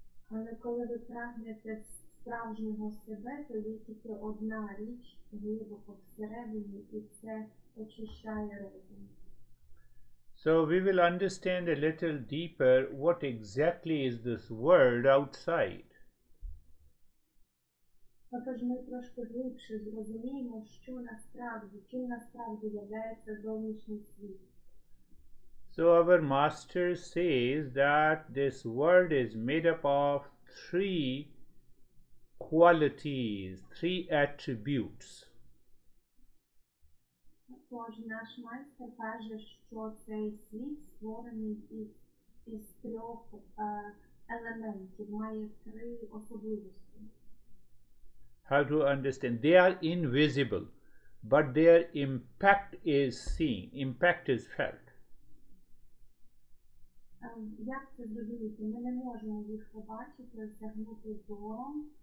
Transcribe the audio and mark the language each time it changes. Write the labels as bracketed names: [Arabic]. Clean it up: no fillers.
[Ukrainian] Але коли ви прагнете справжнього себе, то є тільки одна річ глибоко всередині, і це очищає розум. [English] So we will understand a little deeper what exactly is this world outside. [Ukrainian] Отож, ми трошки глибше зрозуміємо, що насправді, чим насправді являється зовнішній світ. [English] So our master says that this world is made up of three qualities, three attributes. [Ukrainian] Отож, наш майстер каже, що цей світ створений із трьох елементів, має три особливості. [English] How to understand? They are invisible, but their impact is seen, impact is felt. [Ukrainian] Як це зрозуміти? Ми не можемо їх побачити, осягнути зором.